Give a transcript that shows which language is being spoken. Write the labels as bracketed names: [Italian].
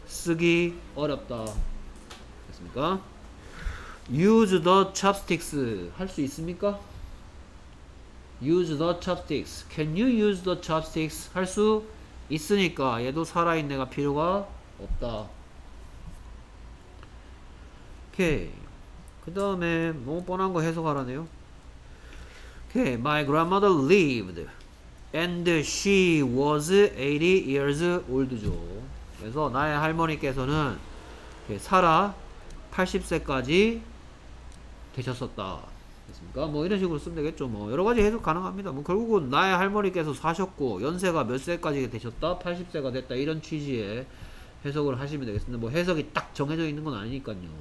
[Korean] 쓰기 어렵다. 됐습니까? Use the chopsticks 할 수 있습니까? [English] Use the chopsticks. Can you use the chopsticks? [Korean] 할 수 있으니까 얘도 살아있는 애가 필요가 없다. 오케이. 그 다음에 너무 뻔한 거 해석하라네요. [English] Okay, my grandmother lived and she was 80 years old죠. [Korean] 그래서 나의 할머니께서는 살아 80세까지 되셨었다. 됐습니까? 뭐 이런 식으로 쓰면 되겠죠. 뭐 여러 가지 해석 가능합니다. 뭐 결국은 나의 할머니께서 사셨고 연세가 몇 세까지 되셨다? 80세가 됐다. 이런 취지의 해석을 하시면 되겠습니다. 뭐 해석이 딱 정해져 있는 건 아니니까요.